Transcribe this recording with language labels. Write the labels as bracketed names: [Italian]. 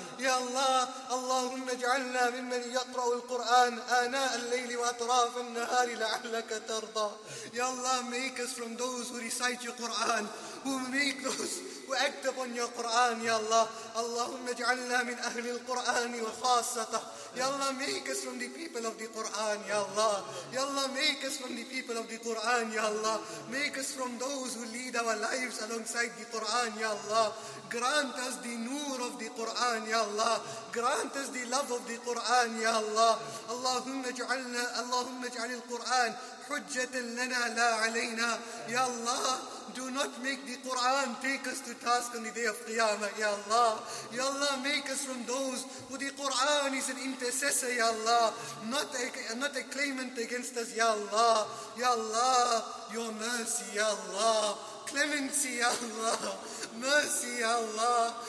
[Arabic] يا الله اللهم اجعلنا ممن يقرأ القرآن آناء الليل وأطراف النهار لعلك ترضى. [English] يا الله, make us from those who recite your Quran, who make those who act upon your Quran. [Arabic] يا الله, اللهم اجعلنا من أهل القرآن وخاصته. [English] يا الله, make us from the people of the Quran. يا الله, يا الله, make us from the people of the Quran. يا الله, make us from those who lead our lives alongside the Quran. يا الله, grant us the nur of the Quran. يا الله, grant us the love of the Quran. [Arabic] يا الله, اللهم اجعلنا, اللهم اجعل القرآن حجة لنا لا علينا. [English] يا الله, do not make the Quran take us to task on the day of Qiyamah, ya Allah. Ya Allah, make us from those who the Quran is an intercessor, ya Allah, not a claimant against us, ya Allah. Ya Allah, your mercy, ya Allah, clemency, ya Allah, mercy, ya Allah.